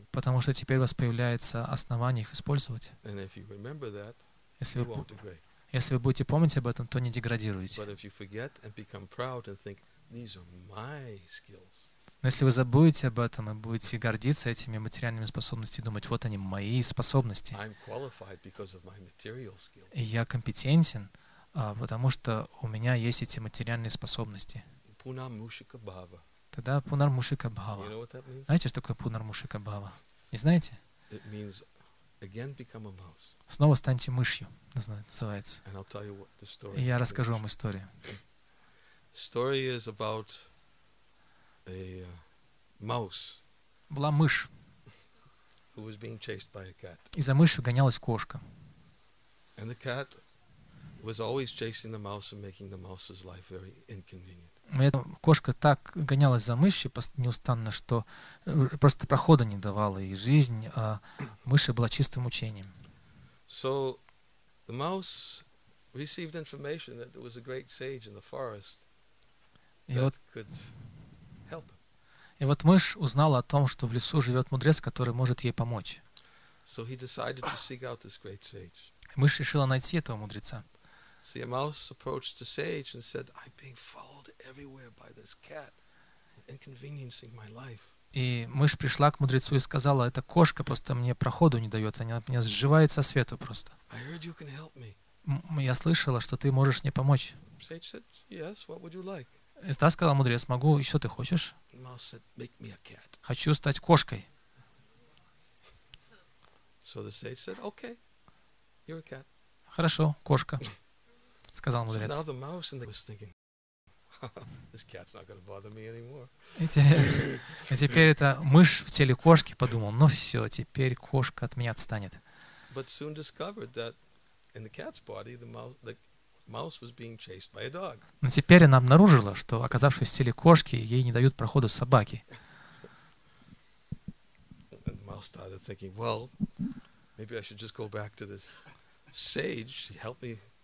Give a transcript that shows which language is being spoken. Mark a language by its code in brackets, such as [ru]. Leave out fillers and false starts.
[ru] Потому что теперь у вас появляется основание их использовать. [en] And if you remember that, [ru] если вы будете помнить об этом, то не деградируете. [en] But if you forget and become proud and think these are my skills. [ru] Но если вы забудете об этом и будете гордиться этими материальными способностями, думать, вот они, мои способности. [en] I'm qualified because of my material skills. [ru] И я компетентен, потому что у меня есть эти материальные способности. [sa] Пунармушикабхава. [ru] Тогда пунармушикабхава. [en] You know what that means? [ru] Знаете, что такое пунармушикабхава? Не знаете? [en] It means again become a mouse. [ru] Снова станьте мышью, называется. [en] And I'll tell you what the story. [ru] И я расскажу вам историю. [en] Story is about a mouse. [ru] Была мышь. [en] Who was being chased by a cat. [ru] И за мышью гонялась кошка. [en] And the cat was always chasing the mouse and making the mouse's life very inconvenient. [ru] Кошка так гонялась за мышью неустанно, что просто прохода не давала ей жизнь, а мыши была чистым мучением. [en] So the mouse received information that there was a great sage in the forest that could help. [ru] И вот мышь узнала о том, что в лесу живет мудрец, который может ей помочь. [en] So he decided to seek out this great sage. [ru] Мышь решила найти этого мудреца. [en] See, a mouse approached the sage and said, "I'm being followed everywhere by this cat, inconveniencing my life." [ru] И мышь пришла к мудрецу и сказала: "Эта кошка просто мне проходу не дает, она меня сживает со света просто." [en] I heard you can help me. [ru] Я слышала, что ты можешь мне помочь. [en] Sage said, "Yes. What would you like?" [ru] И та сказала: "Мудрец, могу. И что ты хочешь?" [en] Mouse said, "Make me a cat." [ru] Хочу стать кошкой. [en] So the sage said, "Okay, you're a cat." [ru] Хорошо, кошка. Сказал мудрец. [en] So now the mouse and the was thinking, this cat's not gonna bother me anymore. [ru] А теперь это мышь в теле кошки подумал, ну все, теперь кошка от меня отстанет. [en] But soon discovered that in the cat's body the mouse was being chased by a dog. [ru] Но теперь она обнаружила, что оказавшись в теле кошки, ей не дают проходу собаки. [en] And the mouse started thinking, well, maybe I should just go back to this sage, help me.